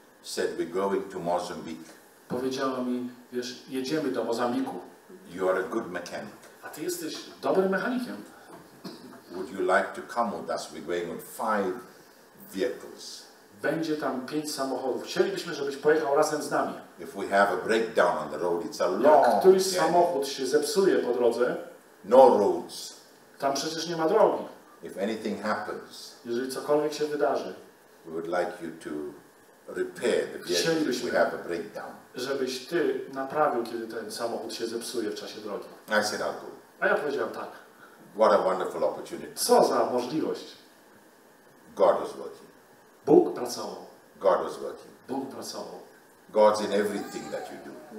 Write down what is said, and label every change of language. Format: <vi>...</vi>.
<en>Said we're going to Mozambique.</en> <pl>Powiedziała mi, wiesz, jedziemy do Mozambiku.</pl> <en>You are a good mechanic.</en> <pl>A ty jesteś dobrym mechanikiem.</pl> <en>Would you like to come with us? We're going with 5 vehicles.</en> <pl>Będzie tam 5 samochodów. Chcielibyśmy, żebyś pojechał razem z nami.</pl> <en>If we have a breakdown on the road, it's a long.</en> <pl>Jak któryś samochód się zepsuje po drodze?</pl> <en>No roads.</en> <pl>Tam przecież nie ma drogi.</pl> <en>If anything happens,</en> <pl>jeżeli cokolwiek się wydarzy,</pl> <en>we would like you to repair the vehicle if we have a breakdown.</en> <pl>Żebyś ty naprawił, kiedy ten samochód się zepsuje w czasie drogi.</pl> <en>I said, I'll go.</en> <pl>A ja powiedziałem tak.</pl> <en>What a wonderful opportunity.</en> <pl>Co za możliwość.</pl> <en>God is working.</en> <pl>Bóg pracował.</pl> <en>God was working.</en> <pl>Bóg pracował.</pl> <en>God's in everything that you do.</en>